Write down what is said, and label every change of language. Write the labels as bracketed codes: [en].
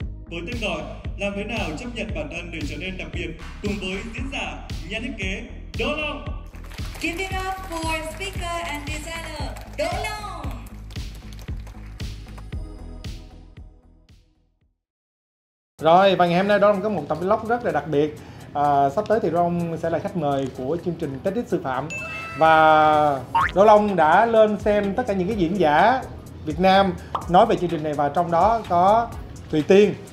[vi] Với tên gọi, làm thế nào chấp nhận bản thân để trở nên đặc biệt cùng với diễn giả, nhà thiết kế, Đỗ Long. [en] Give it up for speaker and designer, Đỗ Long. [vi] Rồi, và ngày hôm nay Đỗ Long có một tập vlog rất là đặc biệt. Sắp tới thì Đỗ Long sẽ là khách mời của chương trình TEDx Sư Phạm. Và Đỗ Long đã lên xem tất cả những cái diễn giả Việt Nam nói về chương trình này và trong đó có Thùy Tiên.